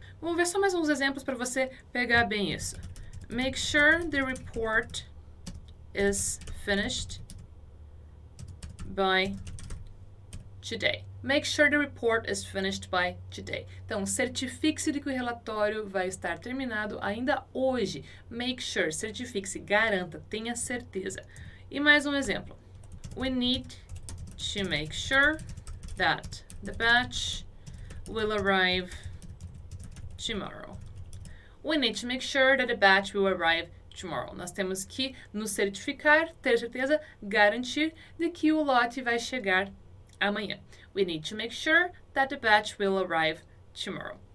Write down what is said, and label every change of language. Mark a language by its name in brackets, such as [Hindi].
[Portuguese] Vamos ver só mais uns exemplos para você pegar bem isso. [English] Make sure the report is finished by today. Make sure the report is finished by today. [Portuguese] Então, certifique-se de que o relatório vai estar terminado ainda hoje. Make sure, certifique-se, garanta, tenha certeza. E mais um exemplo. [English] We need to make sure that the batch will arrive tomorrow. We need to make sure that the batch will arrive tomorrow. [Portuguese] Nós temos que nos certificar, ter certeza, garantir de que o lote vai chegar amanhã. [English] We need to make sure that the batch will arrive tomorrow.